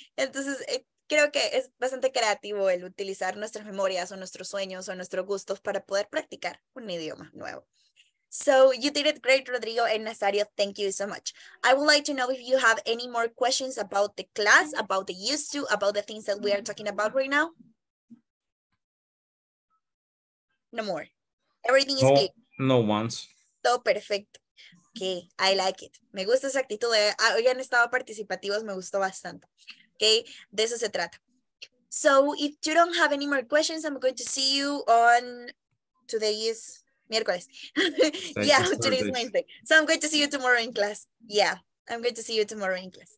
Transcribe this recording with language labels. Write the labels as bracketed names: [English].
[Spanish] Entonces, creo que es bastante creativo el utilizar nuestras memorias o nuestros sueños o nuestros gustos para poder practicar un idioma nuevo. [English] So, you did it great, Rodrigo and Nazario. Thank you so much. I would like to know if you have any more questions about the class, about the used to, about the things that we are talking about right now. No more. Everything is good. No ones. [Spanish] Todo perfecto. [English] Okay, I like it. [Spanish] Me gusta esa actitud. Hoy han estado participativos, me gustó bastante. Ok, okay? De eso se trata. [English] So if you don't have any more questions, I'm going to see you on today is miércoles. Yeah, today is Wednesday. So I'm going to see you tomorrow in class. Yeah, I'm going to see you tomorrow in class.